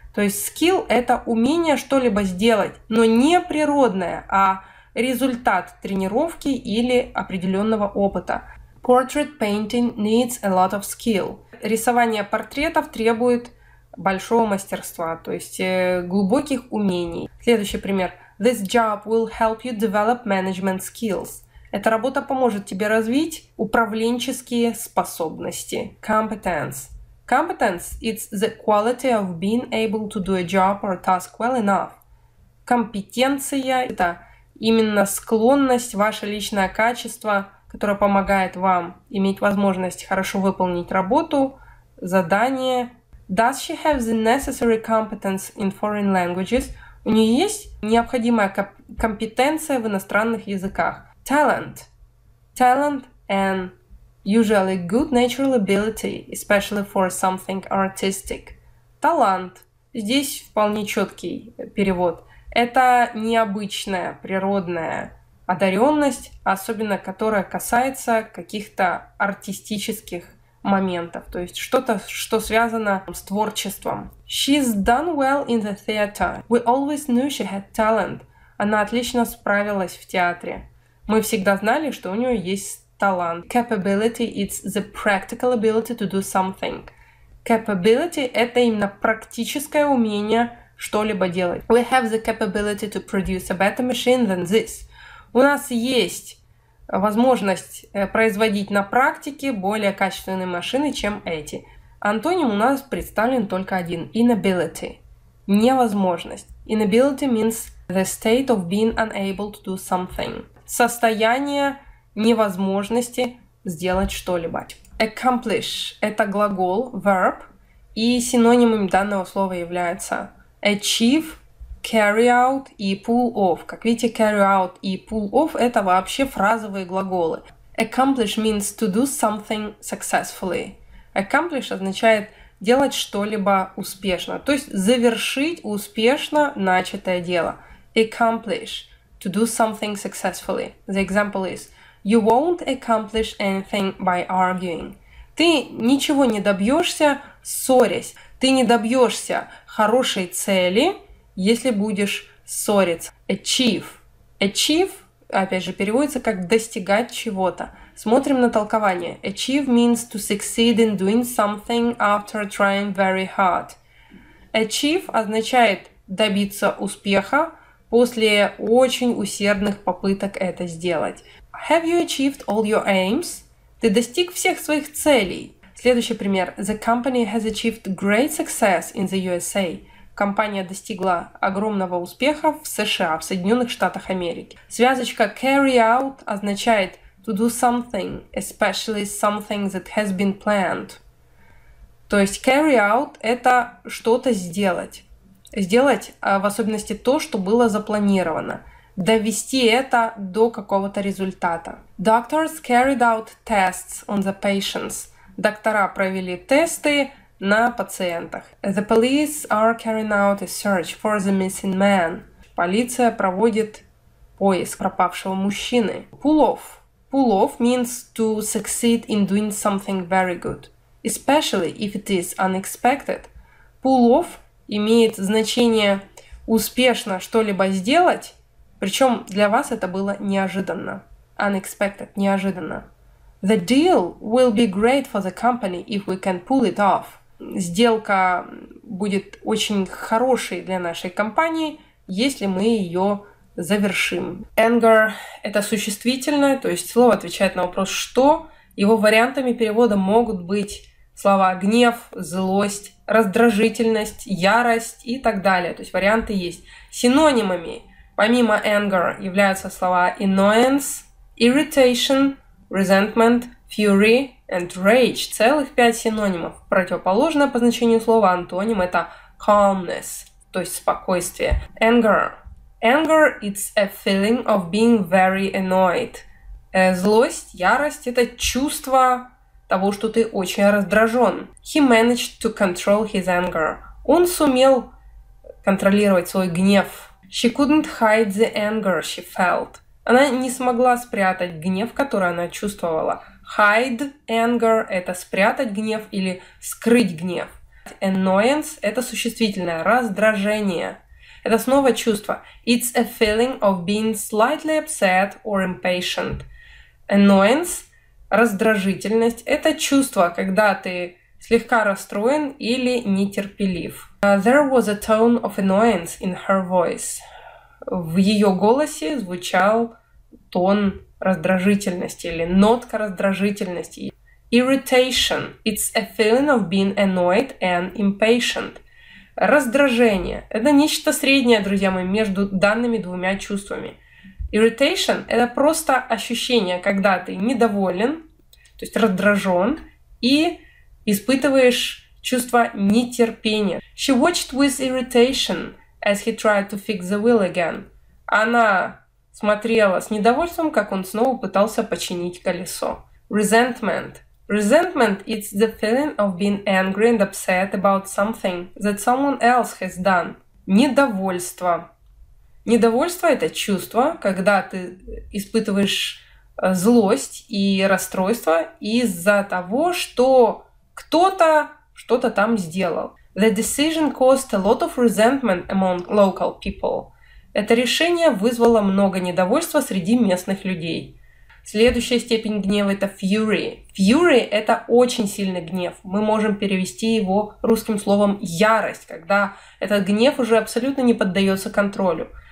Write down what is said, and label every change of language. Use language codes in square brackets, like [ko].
[ru] То есть skill это умение что-либо сделать, но не природное, а результат тренировки или определенного опыта. [en] Portrait painting needs a lot of skill. [ru] Рисование портретов требует большого мастерства, то есть глубоких умений. Следующий пример. [en] This job will help you develop management skills. [ru] Эта работа поможет тебе развить управленческие способности. [en] Competence. Competence – it's the quality of being able to do a job or a task well enough. [ru] Компетенция – это именно склонность, ваше личное качество, которое помогает вам иметь возможность хорошо выполнить работу, задание. [en] Does she have the necessary competence in foreign languages? [ru] У нее есть необходимая компетенция в иностранных языках. [en] Talent. Talent and usually good natural ability, especially for something artistic. [ru] Талант. Здесь вполне четкий перевод. Это необычная природная одаренность, особенно которая касается каких-то артистических моментов, то есть что-то, что связано с творчеством. [en] She's done well in the theater. We always knew she had talent. [ru] Она отлично справилась в театре. Мы всегда знали, что у нее есть талант. [en] Capability – it's the practical ability to do something. [ru] Capability – это именно практическое умение что-либо делать. [en] We have the capability to produce a better machine than this. [ru] У нас есть возможность производить на практике более качественные машины, чем эти. Антоним у нас представлен только один – inability. Невозможность. [en] Inability means the state of being unable to do something. [ru] Состояние невозможности сделать что-либо. Accomplish – это глагол, verb, и синонимами данного слова являются achieve, carry out и pull off. Как видите, carry out и pull off – это вообще фразовые глаголы. [en] Accomplish means to do something successfully. [ru] Accomplish означает делать что-либо успешно, то есть завершить успешно начатое дело. [en] Accomplish – to do something successfully. The example is, you won't accomplish anything by arguing. [ru] Ты ничего не добьешься, ссорясь. Ты не добьешься хорошей цели, если будешь ссориться. [en] Achieve. [ru] Achieve, опять же, переводится как достигать чего-то. Смотрим на толкование. [en] Achieve means to succeed in doing something after trying very hard. [ru] Achieve означает добиться успеха после очень усердных попыток это сделать. [en] Have you achieved all your aims? [ru] Ты достиг всех своих целей. Следующий пример. [en] The company has achieved great success in the USA. [ru] Компания достигла огромного успеха в США, в Соединенных Штатах Америки. Связочка [en] carry out [ru] означает [en] to do something, especially something that has been planned. [ru] То есть carry out – это что-то сделать. Сделать, в особенности то, что было запланировано. Довести это до какого-то результата. [en] Doctors carried out tests on the patients. [ru] Доктора провели тесты на пациентах. [en] The police are carrying out a search for the missing man. [ru] Полиция проводит поиск пропавшего мужчины. [en] Pull off. Pull off means to succeed in doing something very good. Especially if it is unexpected. Pull off [ru] имеет значение успешно что-либо сделать, причем для вас это было неожиданно. Unexpected, неожиданно. [en] The deal will be great for the company if we can pull it off. [ru] Сделка будет очень хорошей для нашей компании, если мы ее завершим. Anger – это существительное, то есть слово отвечает на вопрос «что?». Его вариантами перевода могут быть слова «гнев», «злость», «раздражительность», «ярость» и так далее. То есть варианты есть. Синонимами помимо anger являются слова [en] annoyance, irritation, resentment, fury and rage. [ru] Целых 5 синонимов. Противоположное по значению слова антоним – это calmness, то есть спокойствие. [en] Anger. Anger – it's a feeling of being very annoyed. [ru] Злость, ярость – это чувство того, что ты очень раздражен. [en] He managed to control his anger. [ru] Он сумел контролировать свой гнев. [en] She couldn't hide the anger she felt. [ru] Она не смогла спрятать гнев, который она чувствовала. [en] Hide anger [ru] – это спрятать гнев или скрыть гнев. Annoyance – это существительное, раздражение. Это снова чувство. [en] It's a feeling of being slightly upset or impatient. [ru] Annoyance – раздражительность. Это чувство, когда ты слегка расстроен или нетерпелив. [en] There was a tone of annoyance in her voice. [ru] В ее голосе звучал тон раздражительности или нотка раздражительности. [en] Irritation. It's a feeling of being annoyed and impatient. [ru] Раздражение. Это нечто среднее, друзья мои, между данными двумя чувствами. Irritation – это просто ощущение, когда ты недоволен, то есть раздражен, и испытываешь чувство нетерпения. [en] She watched with irritation as he tried to fix the wheel again. [ru] Она смотрела с недовольством, как он снова пытался починить колесо. [en] Resentment. Resentment – it's the feeling of being angry and upset about something that someone else has done. [ru] Недовольство. Недовольство – это чувство, когда ты испытываешь злость и расстройство из-за того, что кто-то что-то там сделал. [en] The decision caused a lot of resentment among local people. [ru] Это решение вызвало много недовольства среди местных людей. Следующая степень гнева – это fury. Fury – это очень сильный гнев. Мы можем перевести его русским словом «ярость», когда этот гнев уже абсолютно не поддается контролю.